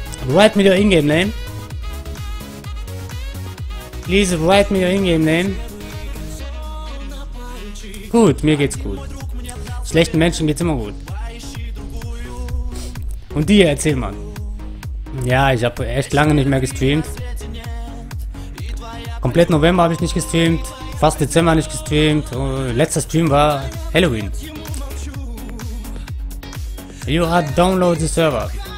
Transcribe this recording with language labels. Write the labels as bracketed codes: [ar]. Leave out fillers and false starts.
[en] Write me your in-game name. Please write me your in-game name. [de] Gut, mir geht's gut. Schlechten Menschen geht's immer gut. Und dir, erzähl mal. Ja, ich habe echt lange nicht mehr gestreamt. Komplett November habe ich nicht gestreamt. Fast Dezember nicht gestreamt. Letzter Stream war Halloween. [en] You have downloaded the server.